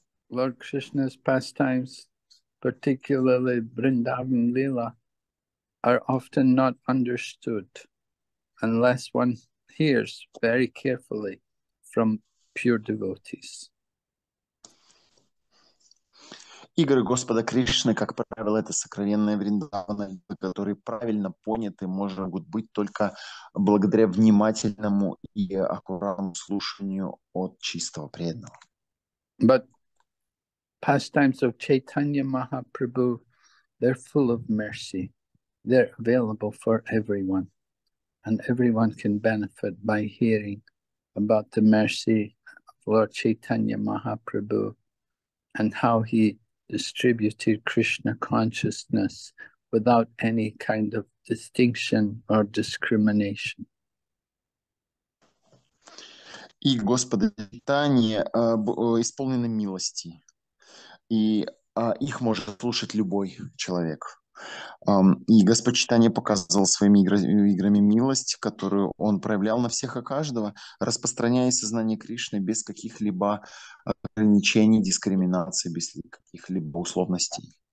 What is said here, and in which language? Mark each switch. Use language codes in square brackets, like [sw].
[en] Lord Krishna's pastimes, particularly Vrindavan Leela, are often not understood unless one hears very carefully from pure devotees. [ru] Игры Господа Кришны, как правило, это сокровенные Вриндаваны, которые правильно поняты, могут быть только благодаря внимательному и аккуратному слушанию от чистого преданного. [en] But pastimes of Chaitanya Mahaprabhu, they're full of mercy. They're available for everyone. And everyone can benefit by hearing about the mercy of Lord Chaitanya Mahaprabhu and how he distributed Krishna consciousness without any kind of distinction or discrimination. [ru] И Господа Чайтанья исполнены милости, и их может слушать любой человек. И Господь Чайтанья показывал своими играми милость, которую он проявлял на всех и каждого, распространяя сознание Кришны без каких-либо ограничений, дискриминации, без каких-либо условностей.